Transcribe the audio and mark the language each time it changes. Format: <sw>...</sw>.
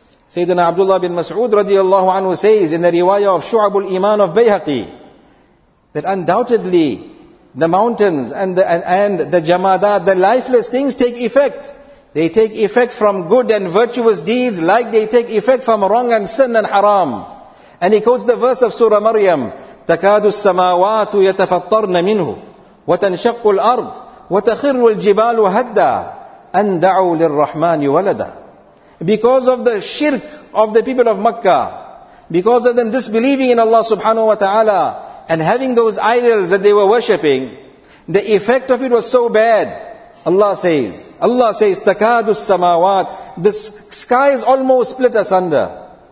<en>Sayyidina Abdullah bin Mas'ud radiallahu anhu says in the riwayah of Shu'ab al-Iman of Bayhaqi, that undoubtedly the mountains and the jamadat, the lifeless things take effect. They take effect from good and virtuous deeds like they take effect from wrong and sin and haram. And he quotes the verse of Surah Maryam,</en> <ar>تَكَادُ السَّمَاوَاتُ يَتَفَطَّرْنَ مِنْهُ وَتَنْشَقُّ الْأَرْضُ وَتَخِرُّ الْجِبَالُ هَدَّى أَنْ دَعُوا لِلرَّحْمَنِ وَلَدًا.</ar> <en>Because of the shirk of the people of Makkah, because of them disbelieving in Allah subhanahu wa ta'ala, and having those idols that they were worshipping, the effect of it was so bad. Allah says,</en> <ar>تَكَادُ السَّمَاوَاتِ,</ar> <en>the skies almost split asunder.</en>